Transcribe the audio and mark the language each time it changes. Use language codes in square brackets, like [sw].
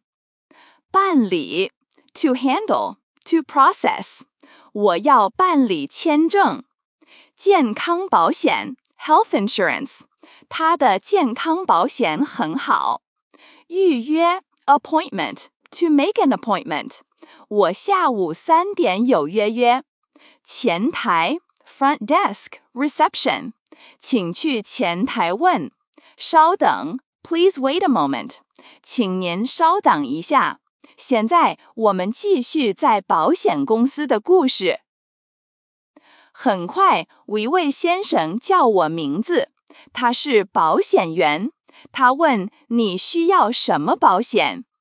[zh] 我需要买保险。办理, [en] to handle, to process. [zh] 我要办理签证。健康保险, [en] health insurance. [zh] 他的健康保险很好。预约, [en] appointment, to make an appointment. [zh] 我下午3点有约约。前台, [en] front desk, reception. [zh] 请去前台问。稍等, [en] please wait a moment. [zh] 请您稍等一下。现在我们继续在保险公司的故事。很快, 一位先生叫我名字。他是保险员。他问,你需要什么保险?